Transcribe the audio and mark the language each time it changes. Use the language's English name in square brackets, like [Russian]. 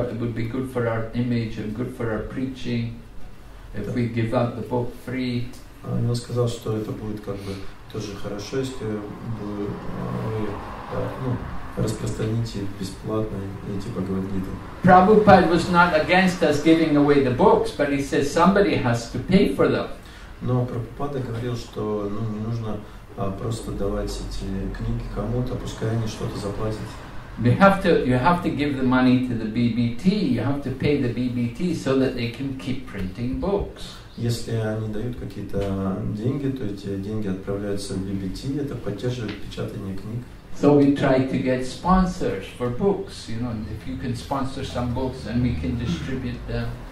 [English] It would be good for our image and good for our preaching if we give out the book free. [Russian] Он сказал, что это будет как бы тоже хорошо, если мы распространите бесплатно эти Бхагавад-гиты. [English] Prabhupada was not against us giving away the books, but he says somebody has to pay for them. [Russian] Но Прабхупада говорил, что не нужно просто давать эти книги кому-то, пускай они что-то заплатят. [English] You have to give the money to the BBT. You have to pay the BBT so that they can keep printing books. [Russian] Если они дают какие-то деньги, то эти деньги отправляются в BBT, это поддерживает печатание книг. [English] So we try to get sponsors for books. You know, if you can sponsor some books, then we can distribute them.